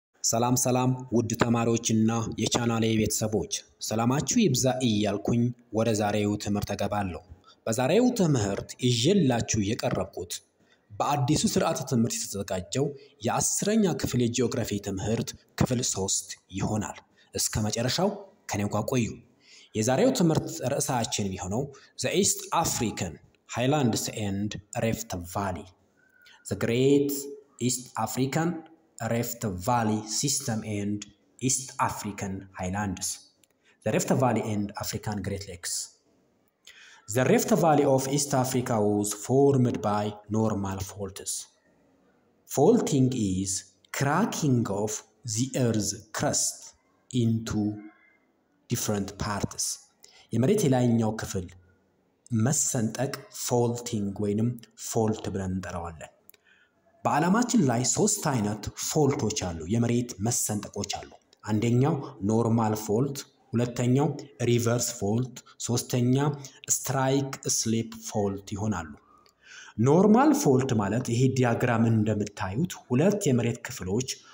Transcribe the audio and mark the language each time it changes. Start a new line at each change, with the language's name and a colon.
Amharic: ሰላም ሰላም ውድ ተማሪዎችና የቻናሌ ቤተሰቦች ሰላማችሁ ይብዛ እያልኩኝ ወደ ዛሬው ትምህርት ተገባለሁ። በዛሬው ትምህርት እየላችሁ የቀረብኩት በአዲሱ ስርዓተ ትምህርት የተዘጋጀው የ10ኛ ክፍል የጂኦግራፊ ትምህርት ክፍል 3 ይሆናል። እስከ መጨረሻው ከኔ ጋር ቆዩ። የዛሬው ትምህርት ርዕሳችን የሚሆነው
English: ዘ ኢስት አፍሪካን ሃይላንድስ ኤንድ ሪፍት ቫሊ ዘ ግሬት ኢስት አፍሪካን Rift Valley System and East African Highlands. The Rift Valley and African Great Lakes. The Rift Valley of East Africa was formed by normal faults. Faulting is cracking of the earth's crust into different parts.
Amharic: የመሬት ላይኛው ክፍል መሰንጠቅ faulting ወይንም fault ብለን እንጠራዋለን። በዓለማችን ላይ 3 አይነት ፎልቶች አሉ፣ የመሬት መሰንጠቆች አሉ። አንደኛው ኖርማል ፎልት፣ ሁለተኛው ሪቨርስ ፎልት፣ ሶስተኛ ስትራይክ ስሊፕ ፎልት ይሆናሉ። ኖርማል ፎልት ማለት ይሄ ዲያግራም እንደምታዩት ሁለት የመሬት ክፍሎች